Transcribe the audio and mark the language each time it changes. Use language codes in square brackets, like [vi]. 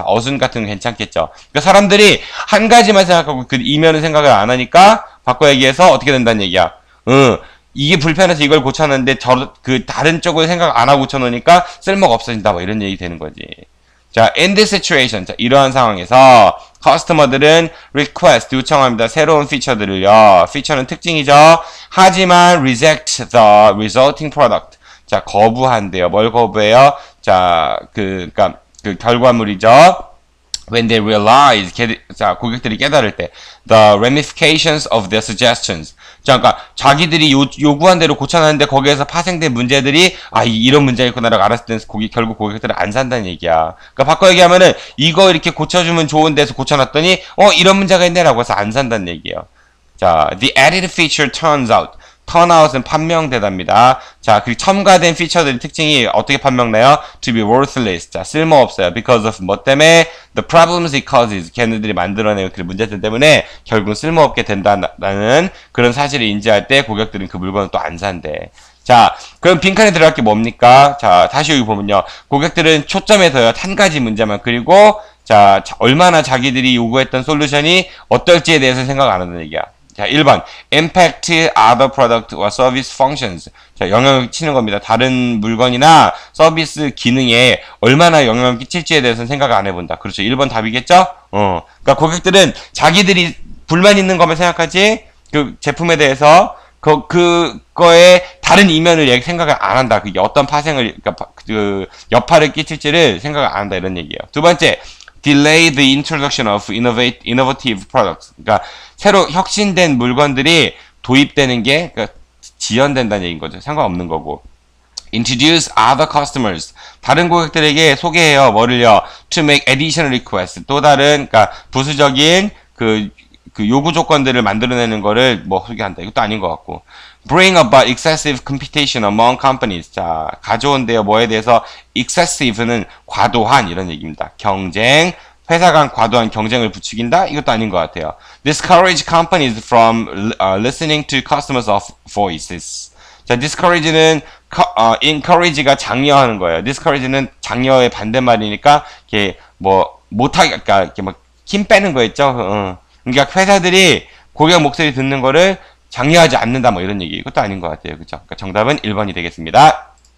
[ko] 자, 어순 같은 거 괜찮겠죠? 그러니까 사람들이 한 가지만 생각하고 그 이면을 생각을 안 하니까 바꿔 얘기해서 어떻게 된다는 얘기야? 이게 불편해서 이걸 고쳤는데 다른 쪽을 생각 안 하고 고쳐놓으니까 쓸모가 없어진다. 뭐 이런 얘기 되는 거지. 자, [en] in this situation, [ko] 자, 이러한 상황에서 커스터머들은 request 요청합니다. 새로운 피처들을요. 피처는 특징이죠. 하지만 [en] reject the resulting product. [ko] 자, 거부한대요. 뭘 거부해요? 자, 그러니까 그 결과물이죠. [en] When they realize, [ko] 자, 고객들이 깨달을 때, [en] the ramifications of their suggestions. [ko] 자, 그러니까 자기들이 요구한 대로 고쳐놨는데 거기에서 파생된 문제들이, 아, 이런 문제가 있구나라고 알았을 때 결국 고객들은 안 산다는 얘기야. 그러니까 바꿔 얘기하면은, 이거 이렇게 고쳐주면 좋은 데서 고쳐놨더니, 이런 문제가 있네라고 해서 안 산다는 얘기예요. 자, [en] the added feature turns out. [ko] 턴아웃은 판명되답니다. 자, 그리고 첨가된 피처들의 특징이 어떻게 판명돼요? [en] To be worthless. [ko] 자, 쓸모없어요. [en] Because of [ko] 뭐 때문에? [en] The problems it causes. [ko] 걔네들이 만들어낸 그 문제들 때문에 결국 쓸모없게 된다는 그런 사실을 인지할 때 고객들은 그 물건을 또 안 산대. 자, 그럼 빈칸에 들어갈 게 뭡니까? 자, 다시 여기 보면요. 고객들은 초점에서요. 한 가지 문제만. 그리고 자, 얼마나 자기들이 요구했던 솔루션이 어떨지에 대해서 생각 안 한다는 얘기야. 자, 1번. [en] Impact other product or service functions. [ko] 자, 영향을 끼치는 겁니다. 다른 물건이나 서비스 기능에 얼마나 영향을 끼칠지에 대해서는 생각 안 해본다. 그렇죠. 1번 답이겠죠? 그러니까 고객들은 자기들이 불만 있는 것만 생각하지, 그 제품에 대해서 그거에 다른 이면을 생각을 안 한다. 그게 어떤 파생을, 그 여파를 끼칠지를 생각을 안 한다. 이런 얘기예요. 두 번째. [en] Delay the introduction of innovative products. [ko] 그러니까 새로 혁신된 물건들이 도입되는 게 지연된다는 얘기인 거죠. 상관없는 거고. [en] Introduce other customers. [ko] 다른 고객들에게 소개해요. 뭐를요? [en] To make additional requests. [ko] 또 다른, 그러니까 부수적인 그 요구 조건들을 만들어내는 거를 뭐 소개한다. 이것도 아닌 것 같고. [en] Bring about excessive competition among companies. [ko] 자, 가져온대요. 뭐에 대해서? Excessive는 과도한 이런 얘기입니다. 경쟁. 회사 간 과도한 경쟁을 부추긴다? 이것도 아닌 것 같아요. [en] Discourage companies from listening to customers of voices. [ko] 자, discourage는 encourage가 장려하는 거예요. Discourage는 장려의 반대말이니까 이렇게 뭐 못하게, 그러니까 이렇게 막 힘 빼는 거 있죠. 그러니까 회사들이 고객 목소리 듣는 거를 장려하지 않는다 뭐 이런 얘기. 이것도 아닌 것 같아요. 그렇죠? 그러니까 정답은 1번이 되겠습니다.